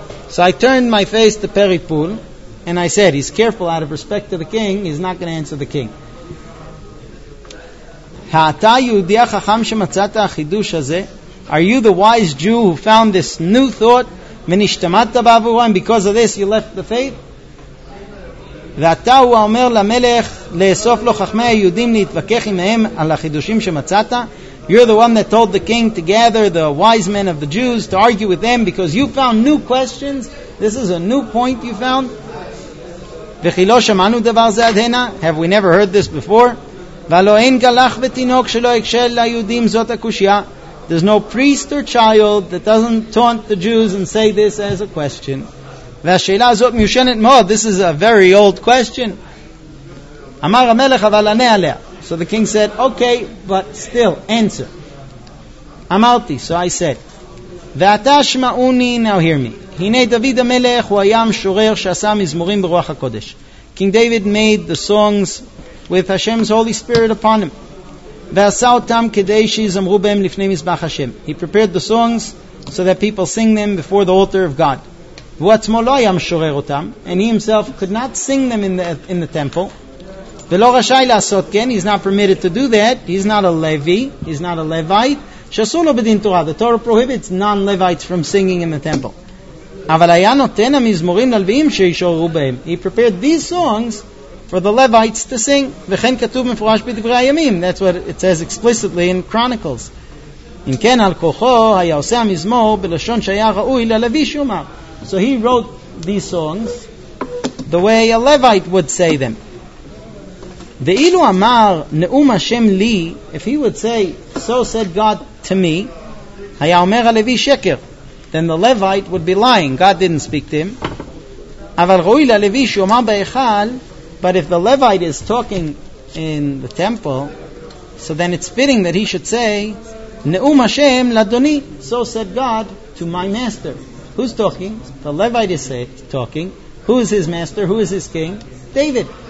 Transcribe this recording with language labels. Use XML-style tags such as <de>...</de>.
<en>So I turned my face to Peri Pul, and I said, he's careful out of respect to the king. He's not going to answer the king.</en> <he>Ha'ata yehudi ha'chacham shematzata ha'chidush hazeh?</he> <en>Are you the wise Jew who found this new thought?</en> <he>ונשתמדת בעבורו,</he> <en>and because of this you left the faith?</en> <he>ואתה הוא אומר למלך לאסוף לו חכמי היהודים להתווכח עמהם על החידושים שמצאת?</he> <en>You're the one that told the king to gather the wise men of the Jews to argue with them because you found new questions. This is a new point you found.</en> <he>וכי לא שמענו דבר זה עד הנה?</he> <en>Have we never heard this before?</en> <he>ולא אין גלח ותינוק שלא הקשה ליהודים זאת הקושיה.</he> <en>There's no priest or child that doesn't taunt the Jews and say this as a question.</en> <he>והשאלה הזאת מיושנת מאוד.</he> <en>This is a very old question.</en> <he>אמר המלך אבל ענה עליה.</he> <en>So the king said, okay, but still, answer.</en> <he>אמרתי,</he> <en>so I said,</en> <he>ואתה שמעוני,</he> <en>now hear me.</en> <he>הנה דוד המלך הוא היה משורר שעשה מזמורים ברוח הקודש.</he> <en>King David made the songs with Hashem's Holy Spirit upon him.</en> <he>ועשה אותם כדי שיזמרו בהם לפני מזבח השם.</he> <en>He prepared the songs so that people sing them before the altar of God.</en> <he>והוא עצמו לא היה משורר אותם,</he> <en>and he himself could not sing them in the temple.</en> <he>ולא רשאי לעשות כן,</he> <en>he's not permitted to do that, he's not a Levi, he's not a Levite,</en> <he>שאסור לו בדין תורה,</he> <en>the Torah prohibits non-Levites from singing in the temple.</en> <he>אבל היה נותן המזמורים ללוויים שישוררו בהם.</he> <en>He prepared these songs for the Levites to sing.</en> <he>וכן כתוב מפורש בדברי הימים.</he> <en>That's what it says explicitly in Chronicles.</en> <he>אם כן על כוחו היה עושה המזמור בלשון שהיה ראוי ללוי שומר.</he> <en>So he wrote these songs the way a Levite would say them.</en> <he>ואילו אמר נאום השם לי,</he> <en>if he would say, so said God to me,</en> <he>היה אומר הלוי שקר,</he> <en>then the Levite would be lying. God didn't speak to him.</en> <he>אבל ראוי ללוי שומר בהיכל.</he> <en>But if the Levite is talking in the temple, so then it's fitting that he should say,</en> <he>Ne'um Hashem l'Adoni,</he> <en>so said God to my master. Who's talking? The Levite is talking. Who is his master? Who is his king? David.</en>